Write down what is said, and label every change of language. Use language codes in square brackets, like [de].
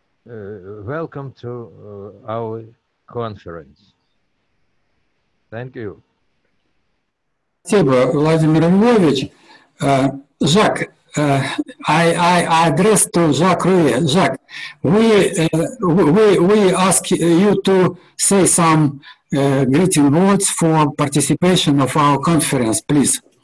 [en] Welcome to our conference. Thank you. [ru] Спасибо, Владимир Львович. [en] Жак, I address to Жак Руе. Жак, we ask you to say some greeting words for participation of our conference, please.